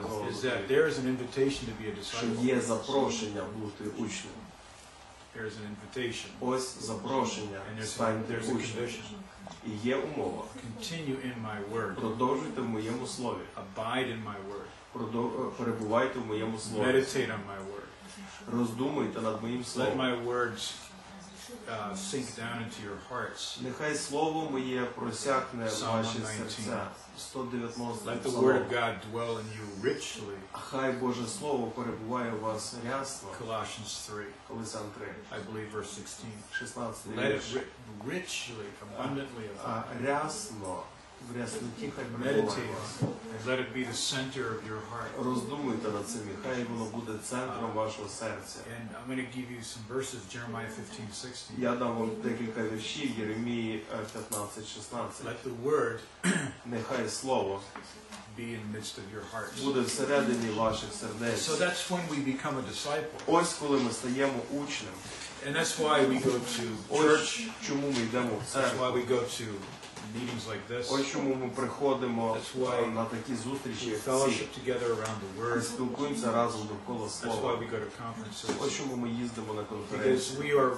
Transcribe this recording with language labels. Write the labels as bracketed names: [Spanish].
[English] Is that there is an invitation to be a disciple. [Ukrainian] Є запрошення бути учнем. [English] There is an invitation. [Ukrainian] Ось запрошення. [English] And there's a condition. [Ukrainian] І є умова. [English] Continue in my word. [Ukrainian] Продовжуйте в моєму слові. [English] Abide in my word. [Ukrainian] Перебувайте в моєму слові. [English] Meditate on my word. [Ukrainian] Роздумуйте над моїм словом. [English] Let my words sink down into your hearts. [Ukrainian] Нехай слово моє просякне ваші серця. [English] 119. Let the word of God dwell in you richly. [Ukrainian] Хай Боже слово перебуває у вас рясно. [English] Colossians 3. [Ukrainian] Колосян 3. [English] I believe verse 16. [Ukrainian] 16. [English] Let it richly, abundantly [Ukrainian] рясно. [English] Meditate. Let it be the center of your heart. [Ukrainian] Роздумуйте над цим, хай воно буде центром вашого серця. [English] And I'm going to give you some verses, Jeremiah 15:16. [Ukrainian] Я дам вам декілька віршів, Єремії 15:16. [English] Let the word, [Ukrainian] нехай слово, [English] be in the midst of your heart. [Ukrainian] Буде всередині ваших сердець. [English] So that's when we become a disciple. [Ukrainian] Ось коли ми стаємо учнем. [English] And that's why we go to church. [Ukrainian] Чому ми йдемо в церкву? [English] That's why we go to meetings like this. [Ukrainian] Ось чому ми приходимо на такі зустрічі, як ці. Спілкуємося разом довкола слова. Ось чому ми їздимо на конференції.